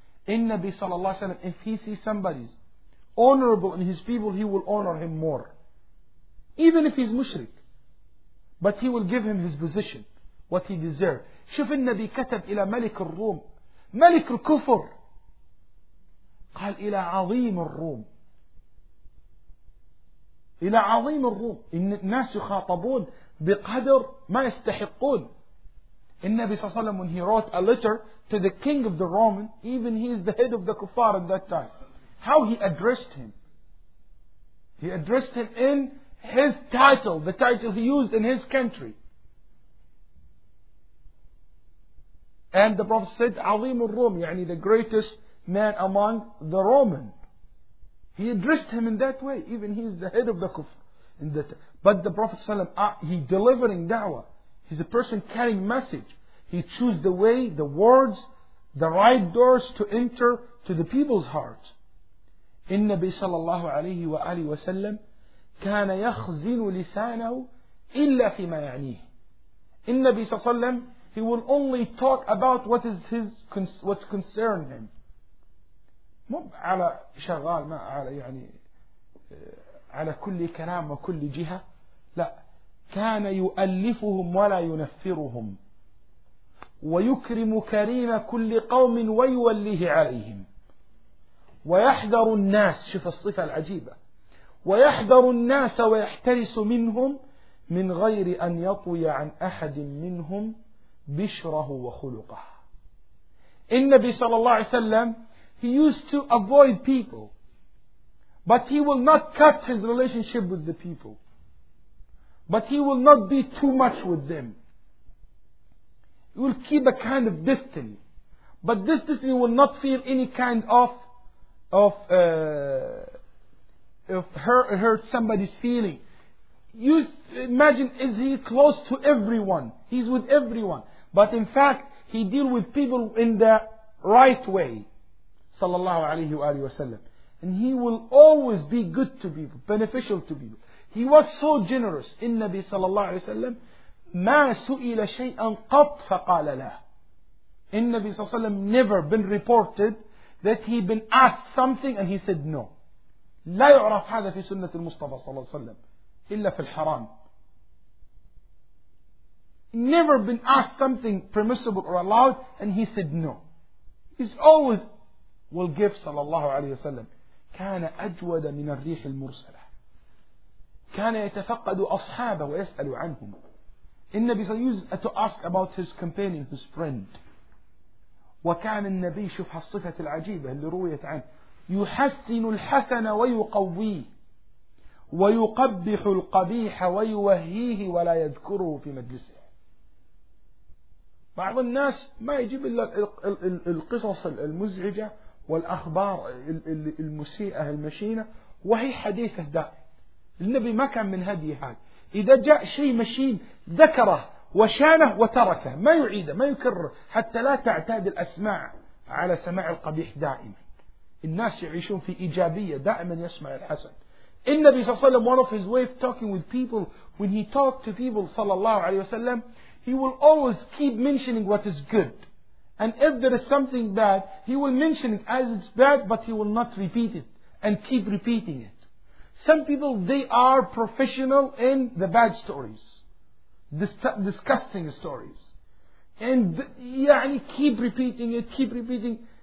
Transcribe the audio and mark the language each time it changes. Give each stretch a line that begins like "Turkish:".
Arabic: النبي صلى الله عليه وسلم
English: if he sees somebody honorable in his people he will honor him more, even if he's mushrik, but he will give him his position, what he deserves.
Arabic: شوف النبي كتب إلى ملك الروم ملك الكفر، قال إلى عظيم الروم إلى عظيم الروم. إن الناس يخاطبون بقدر ما يستحقون.
English: النبي صلى الله عليه وسلم when he wrote a letter to the king of the Roman, even he is the head of the kuffar at that time, how he addressed him. He addressed him in his title, the title he used in his country. And the Prophet said,
Arabic: عظيم الروم, يعني
English: the greatest man among the Roman. He addressed him in that way, even he is the head of the kuffar. But the Prophet ﷺ, he delivering da'wah, he's a person carrying message. He choose the way, the words, the right doors to enter to the people's heart.
Arabic: النبي صلى الله عليه وآله وسلم كان يخزن لسانه إلا فيما يعنيه. النبي صلى الله عليه وسلم
English: he will only talk about what is his what concern him.
Arabic: مو على شغال ما على يعني على كل كلام وكل جهة، لا، كان يؤلفهم ولا ينفرهم، ويكرم كريم كل قوم ويوليه عليهم، ويحذر الناس، شوف الصفة العجيبة، ويحذر الناس ويحترس منهم من غير أن يطوي عن أحد منهم بشره وخلقه. النبي صلى الله عليه وسلم
English: he used to avoid people but he will not cut his relationship with the people, but he will not be too much with them. He will keep a kind of distance, but this distance will not feel any kind of hurt somebody's feeling. You imagine, is he close to everyone? He's with everyone, but in fact he deal with people in the right way, sallallahu alayhi wa alihi wa sallam. And he will always be good to people, beneficial to people. He was so generous.
Arabic: النبي صلى الله عليه وسلم ما سئل شيئا قط فقال لا.
English: النبي صلى الله عليه وسلم never been reported that he been asked something and he said no.
Arabic: لا يعرف هذا في سنة المصطفى صلى الله عليه وسلم إلا في الحرام.
English: Never been asked something permissible or allowed and he said no. He's always will give صلى الله عليه وسلم.
Arabic: كان أجود من الريح المرسلة، كان يتفقد أصحابه ويسأل عنهم. النبي صلى الله عليه وسلم
English: to ask about his companion, his friend.
Arabic: وكان النبي شوف هالصفة العجيبة اللي رويت عنه، يحسن الحسن ويقويه، ويقبح القبيح ويوهيه ولا يذكره في مجلسه. بعض الناس ما يجيب إلا القصص المزعجة والأخبار المسيئة المشينة وهي حديثه دائم. النبي ما كان من هذه حال، إذا جاء شيء مشين ذكره وشانه وتركه، ما يعيده ما يكرر حتى لا تعتاد الأسماع على سماع القبيح دائما. الناس يعيشون في إيجابية دائما يسمع الحسن. النبي صلى الله عليه وسلم,
English: one of his way of talking with people, when he talked to people صلى الله عليه وسلم, he will always keep mentioning what is good, and if there is something bad, he will mention it as it's bad, but he will not repeat it and keep repeating it. Some people, they are professional in the bad stories, disgusting stories, and يعني keep repeating.